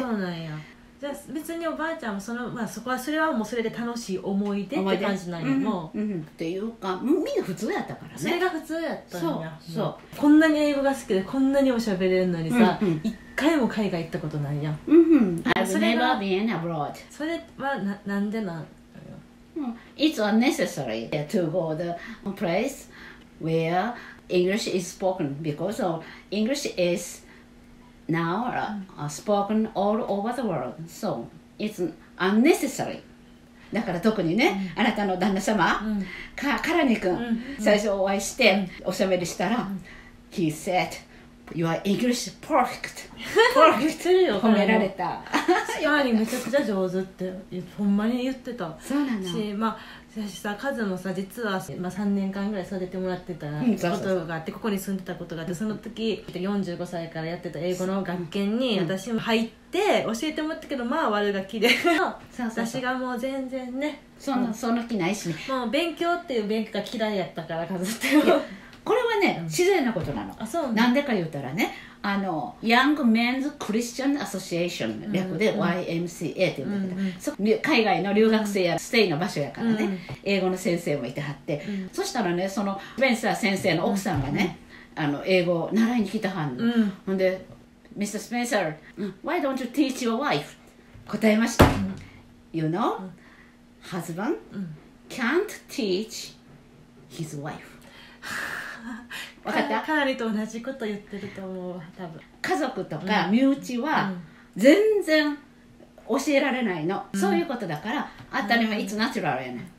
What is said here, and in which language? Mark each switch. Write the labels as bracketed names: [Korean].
[Japanese] うんうんうん、あそうなんや、じゃあ別におばあちゃんも その、まあ、そこはそれはもうそれで楽しい思い出って感じなんやもう、うんうん、っていうかみんな普通やったからね、それが普通やったんや、そう、うん、こんなに英語が好きでこんなにも喋れるのにさ、うんうん、一回も海外行ったことないやん、うん、 [English] I've never been abroad、 [Japanese] それは何でなんだよ、 [English] It's unnecessary to go to a place where English is spoken because English is now spoken all over the world, so it's unnecessary、 [Japanese] だから特にね、うん、あなたの旦那様、うん、カラニ君、うんうん、最初お会いしておしゃべりしたら、うん、 [English] He saidYou are English perfect. Perfect. [Japanese] 褒められた。カーリーめちゃくちゃ上手ってほんまに言ってた。そうなの。し、まあ、私さ、カズもさ、実は、まあ、3年間ぐらい育ててもらってたことがあって、うん、そうそうそう、ここに住んでたことがあって、その時、45歳からやってた英語の学研に私も入って、で教えてもらったけど、まあ悪ガキでそうそうそう、私がもう全然ね、その気ないしね、もう勉強っていう勉強が嫌いやったから、カズって言う、これはね、うん、自然なことなの。あ、そうね、なんでか言ったらね、あのヤングメンズクリスチャンアソシエーション、うん、略で YMCA って言うんだけど、うん、そ海外の留学生やステイの場所やからね、うん、英語の先生もいてはって、うん、そしたらね、そのスペンサー先生の奥さんがね、うん、あの英語を習いに来たはんの、うん、ほんで Mr. [English] Spencer, why don't you teach your wife? [Japanese] 答えました、 [English] うん、You know,、うん、husband、 [Japanese] うん、 [English] can't teach his wife. [Japanese] わかった？かなりと同じこと言ってると思う、多分。家族とか身内は全然教えられないの、うん、そういうことだから、うん、当たり前、うん、 [English] it's natural [Japanese] やね、